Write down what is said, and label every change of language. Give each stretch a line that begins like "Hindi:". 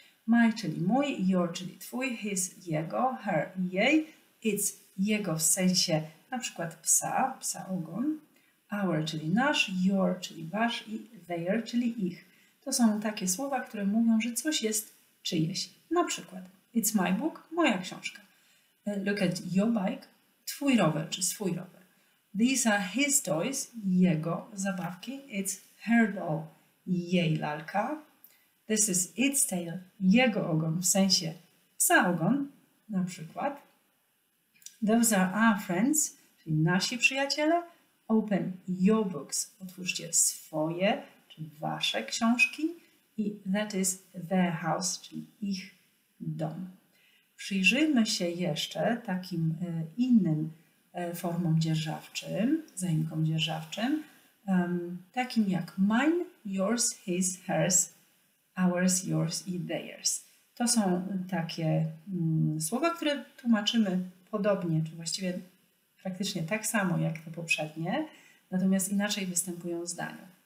Polish: My, czyli mój, your, czyli twój, his, jego, her, jej, its, jego w sensie na przykład psa, psa ogon, our, czyli nasz, your, czyli wasz i their, czyli ich. To są takie słowa, które mówią, że coś jest czyjeś. Na przykład
English: it's my book,
Polish: moja książka.
English: Look at your bike.
Polish: Twój rower czy swój rower.
English: These are his toys,
Polish: jego zabawki.
English: It's her doll,
Polish: jej lalka.
English: This is its tail,
Polish: jego ogon, w sensie psa ogon, na przykład.
English: Those are our friends,
Polish: czyli nasi przyjaciele.
English: Open your books,
Polish: otwórzcie swoje czy wasze książki.
English: I that is their house,
Polish: czyli ich dom. Przyjrzyjmy się jeszcze takim innym formom dzierżawczym, zaimkom dzierżawczym, takim jak mine, yours, his, hers, ours, yours i theirs. To są takie słowa, które tłumaczymy podobnie, czy właściwie praktycznie tak samo jak te poprzednie, natomiast inaczej występują w zdaniu.